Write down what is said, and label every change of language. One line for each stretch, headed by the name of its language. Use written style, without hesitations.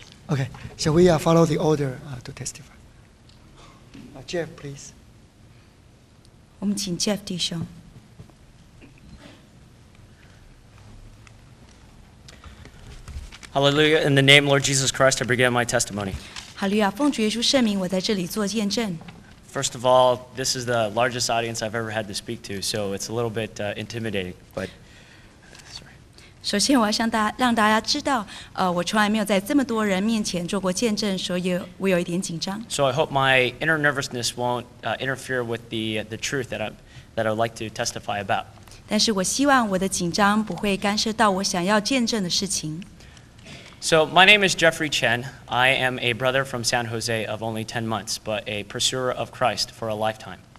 English: Okay. Shall we follow the order to testify? Jeff, please.
Chinese: 我们请 Jeff 弟兄。
English: Hallelujah! In the name of Lord Jesus Christ, I begin my testimony.
Chinese: Hallelujah, 奉主耶稣圣名，我在这里做见证。
English: First of all, this is the largest audience I've ever had to speak to, so it's a little bit intimidating, but, sorry.
Chinese: 首先我要向大家让大家知道，我从来没有在这么多人面前做过见证，所以我有一点紧张。
English: So I hope my inner nervousness won't interfere with the truth that I'd like to testify about.
Chinese: 但是我希望我的紧张不会干涉到我想要见证的事情。
English: So my name is Jeffrey Chen. I am a brother from San Jose of only 10 months, but a pursuer of Christ for a lifetime.